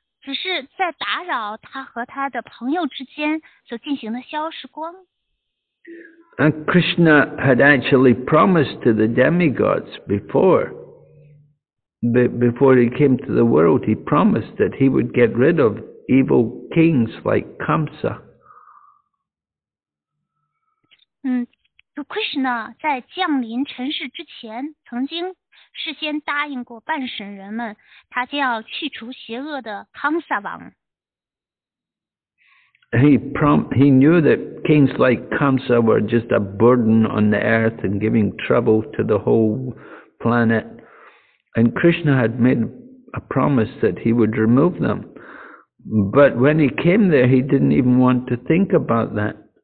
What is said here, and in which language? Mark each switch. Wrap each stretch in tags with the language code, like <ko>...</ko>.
<zh>只是在打扰他和他的朋友之间所进行的消时光。</zh> <en>And Krishna had actually promised to the demigods before he came to the world, he promised that he would get rid of evil kings like Kamsa.</en> <zh>Krishna 在降临尘世之前曾经事先答应过半神人们，他将要去除邪恶的康萨王。</zh> <en>He knew that kings like Kamsa were just a burden on the earth and giving trouble to the whole planet, and Krishna had made a promise that he would remove them. But when he came there, he didn't even want to think about that.</en>